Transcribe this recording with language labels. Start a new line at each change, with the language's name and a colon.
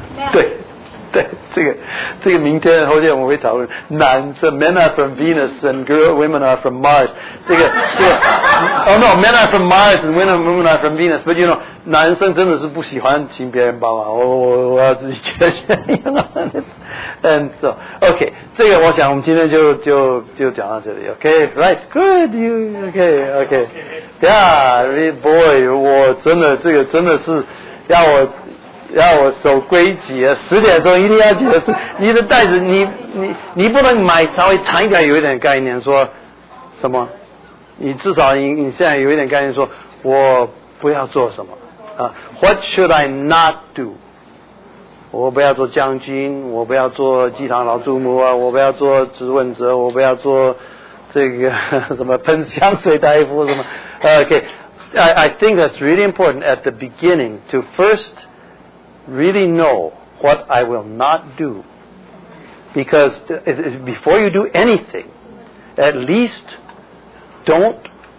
Chinese: 对，对，这个明天后天我们会讨论。男生
English: ，men are from Venus and women are from Mars。
Chinese: 这个
English: ，Oh no， men are from Mars and women are from Venus。But you know。
Chinese: 男生真的是不喜欢请别人帮忙，我要自己解决。
English: And so, okay,
Chinese: 这个我想我们今天就讲到这里。
English: Okay, right, good. You, okay, okay. Yeah, boy,
Chinese: 我真的这个真的是让我守规矩啊，十点钟一定要结束。你的袋子，你不能买稍微长一点，有一点概念说什么？你至少你现在有一点概念说，我不要做什么。
English: What should I not do?
Chinese: 我不要做将军，我不要做祭堂老祖母啊，我不要做质问者，我不要做这个什么喷香水大夫什么。
English: Okay, I think that's really important at the beginning to first really know what I will not do. Because before you do anything, at least don't.